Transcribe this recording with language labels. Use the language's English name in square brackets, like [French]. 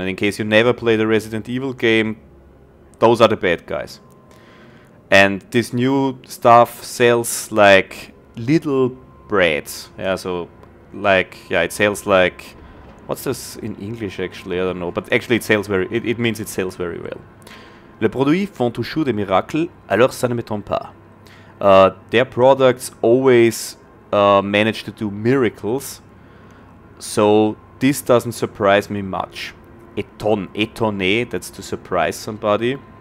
[English] And in case you never played a Resident Evil game, those are the bad guys. And this new stuff sells like little breads, yeah, so like, yeah, it sells like, what's this in English actually, I don't know, but actually it sells very well. [French] Les produits font toujours des miracles, alors ça ne m'étonne pas. [English] Their products always manage to do miracles, so this doesn't surprise me much. Étonné, that's to surprise somebody.